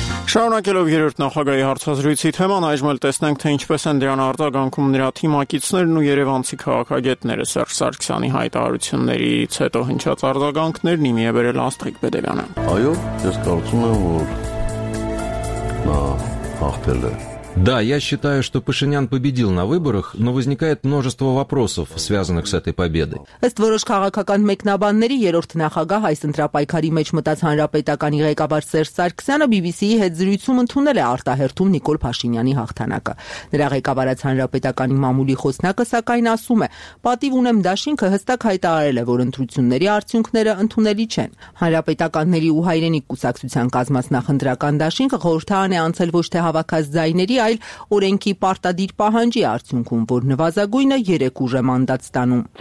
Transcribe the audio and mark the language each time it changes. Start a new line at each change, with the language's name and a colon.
Armenian: Շարունակելով երրորդ նախագահի հարցազրույցի թեման, այժմ էլ տեսնենք, թե ինչպես են դրան արձագանքում նրա թիմակիցներն ու երևանցի քաղաքագետները։ Սերժ Սարգսյանի հայտարարություններից հետո հնչած արձագանքներն իմ է բերել Աստղիկ Բեդևյանը։ Այո, ես կարծում եմ, որ նա հաղթել է։
Russian: Да, я считаю, что Пашинян победил на выборах, но возникает множество вопросов, связанных с этой победой.
Armenian: Ըստ որոշ քաղաքական մեկնաբանների, երրորդ նախագահ այս ընտրապայքարի մեջ մտած հանրապետականի ղեկավար Սերժ Սարգսյանը BBC-ի հետ զրույցում ընդունել է արտահերթում Նիկոլ Փաշինյանի հաղթանակը։ Նրա ղեկավարած հանրապետականի մամուլի խոսնակը, սակայն, ասում է, պատիվ ունեմ Դաշինքը հստակ հայտարարել է, որ ընտրությունների արդյունքները ընդունելի չեն։ Հանրապետականների ու հայրենիք կուսակցության կազմած նախընտրական Դաշինքը խորհրդարան է անցել ոչ թե հավաքած ձայներ, այլ օրենքի պարտադիր պահանջի արդյունքում, որ նվազագույնը 3 ուժը մանդատ ստանում։